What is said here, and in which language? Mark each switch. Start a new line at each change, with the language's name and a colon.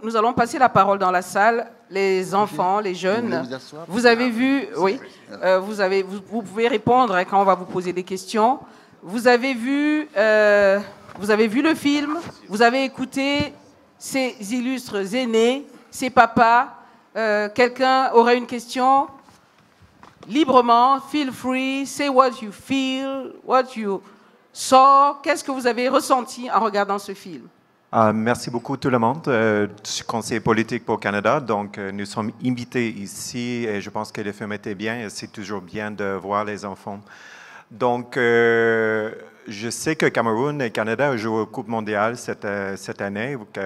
French: Nous allons passer la parole dans la salle. Les enfants, les jeunes, vous avez vu, oui, vous pouvez répondre quand on va vous poser des questions. Vous avez vu le film, vous avez écouté ces illustres aînés, ces papas. Quelqu'un aurait une question? Librement,
English: feel free, say what you feel, what you saw.
French: Qu'est-ce que vous avez ressenti en regardant ce film? Merci beaucoup tout le monde. Je suis conseiller politique pour Canada, donc nous sommes invités ici et je pense que le film était bien et c'est toujours bien de voir les enfants. Donc, je sais que Cameroun et Canada jouent aux Coupes mondiales cette année.